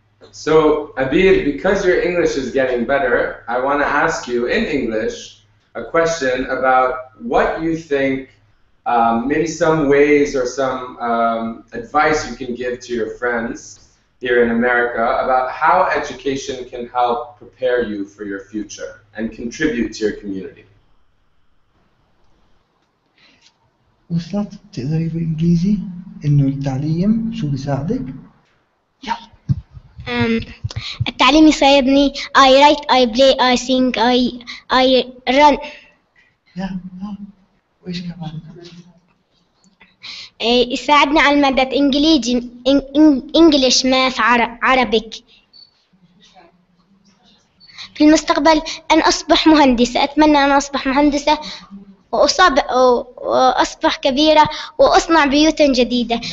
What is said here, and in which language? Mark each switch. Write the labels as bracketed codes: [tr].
[en] So, Abir, because your English is getting better, I want to ask you in English a question about what you think. Maybe some ways or some advice you can give to your friends here in America about how education can help prepare you for your future and contribute to your community. [ar] وصلت تقدري بالإنجليزي إنه التعليم شو بيساعدك؟ التعليم يساعدني. [en] I write, I play, I sing, I run. [ar] وإيش كمان؟ يساعدنا على المادات انجليزي [en] English math Arabic. [ar] في المستقبل ان اصبح مهندسه، اتمنى ان اصبح مهندسه واصبح كبيره واصنع بيوت جديده.